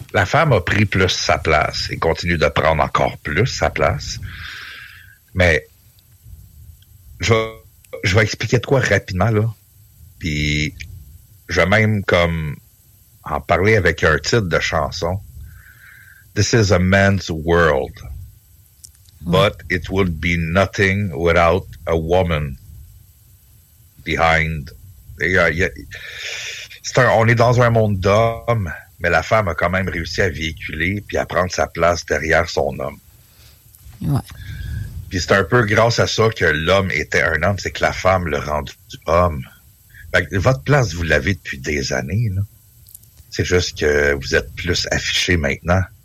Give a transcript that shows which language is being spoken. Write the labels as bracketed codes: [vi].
[fr] La femme a pris plus sa place et continue de prendre encore plus sa place. Mais je vais expliquer de quoi rapidement là. Puis je vais même comme en parler avec un titre de chanson. [en] This is a man's world, but it would be nothing without a woman behind. [fr] On est dans un monde d'hommes, mais la femme a quand même réussi à véhiculer puis à prendre sa place derrière son homme. Ouais. Puis c'est un peu grâce à ça que l'homme était un homme, c'est que la femme l'a rendu homme. Fait que votre place, vous l'avez depuis des années. Là. C'est juste que vous êtes plus affiché maintenant.